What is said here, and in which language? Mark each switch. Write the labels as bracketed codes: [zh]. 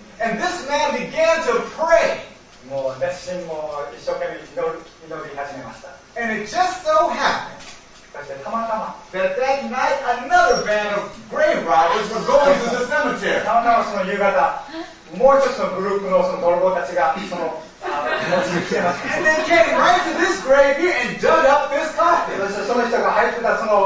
[en] And this man began to pray. [ja] もう熱心も一生懸命祈り始めました。 [en] And it just so happened. [ja] そしてたまたま。 [en] That night, another band of grave robbers were going to the cemetery. [ja] たまたまその夕方。もう一つのグループのその泥棒たちがその [en] And then came right to this grave here and dug up this coffin. And so some people have put that